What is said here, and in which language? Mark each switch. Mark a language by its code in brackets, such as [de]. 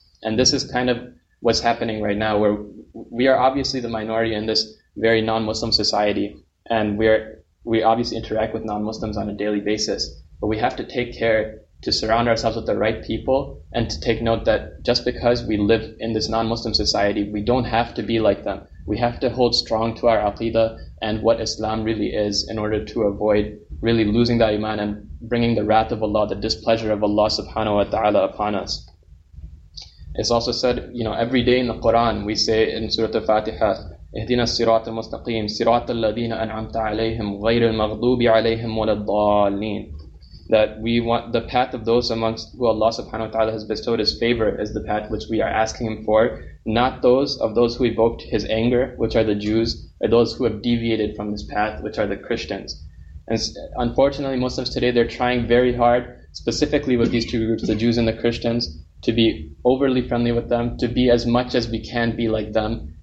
[en] And this is kind of what's happening right now, where we are obviously the minority in this very non-Muslim society, and we obviously interact with non-Muslims on a daily basis, but we have to take care to surround ourselves with the right people, and to take note that just because we live in this non-Muslim society, we don't have to be like them. We have to hold strong to our aqidah and what Islam really is, in order to avoid really losing the iman and bringing the wrath of Allah, the displeasure of Allah subhanahu wa ta'ala upon us. It's also said, you know, every day in the Quran, we say in Surah Al-Fatiha, [ar] اهدنا الصراط المستقيم صراط الذين أنعمت عليهم غير المغضوب عليهم ولا الضالين. [en] That we want the path of those amongst who Allah subhanahu wa ta'ala has bestowed his favor is the path which we are asking him for, not those of those who evoked his anger, which are the Jews, or those who have deviated from this path, which are the Christians. And unfortunately, Muslims today, they're trying very hard, specifically with these two groups, the Jews and the Christians, to be overly friendly with them, to be as much as we can be like them.